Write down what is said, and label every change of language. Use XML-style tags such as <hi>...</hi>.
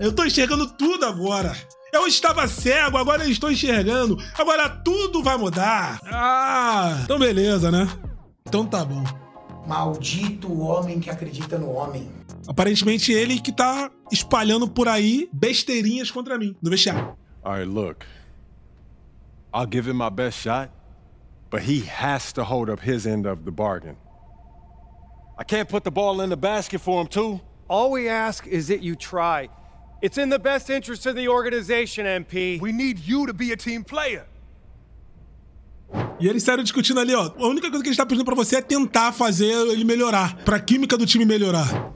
<pt>Eu tô enxergando tudo agora! Eu estava cego, agora eu estou enxergando! Agora tudo vai mudar! Ah! Então beleza, né? Então tá bom. Maldito homem que acredita no homem. Aparentemente ele que tá espalhando por aí besteirinhas contra mim. No vestiário.</pt> <en>Alright, look. I'll give him my best shot, but he has to hold up his end of the bargain. I can't put the ball in the basket for him, too. All we ask is that you try. It's in the best interest of the organization, MP. We need you to be a team player.</en> <pt>E eles saíram discutindo ali, ó. A única coisa que ele está pedindo pra você é tentar fazer ele melhorar. Pra química do time melhorar.</pt>